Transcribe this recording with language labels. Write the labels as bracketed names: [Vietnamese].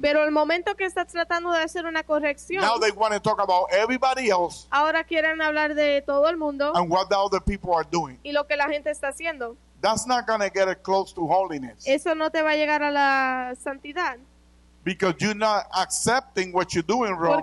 [Spanish] pero el momento que estás tratando de hacer una corrección, [English] now they want to talk about everybody else. [Spanish] Ahora quieren hablar de todo el mundo. [English] And what the other people are doing. [Spanish] Y lo que la gente está haciendo. [English] That's not going to get it close to holiness. [Spanish] Eso no te va a llegar a la santidad. [English] Because you're not accepting what you're doing wrong.